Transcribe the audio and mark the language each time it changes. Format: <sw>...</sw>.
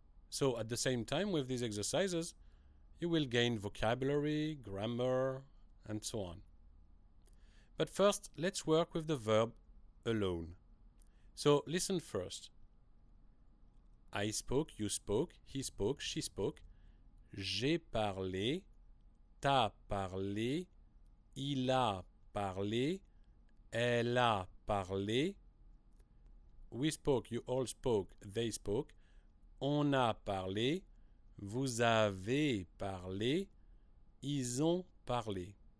<en>So at the same time with these exercises, you will gain vocabulary, grammar, and so on. But first, let's work with the verb alone. So listen first. I spoke, you spoke, he spoke, she spoke.</en> <fr>J'ai parlé, t'as parlé, il a parlé, elle a parlé.</fr> <en>We spoke, you all spoke, they spoke.</en> <fr>On a parlé, vous avez parlé, ils ont parlé.</fr>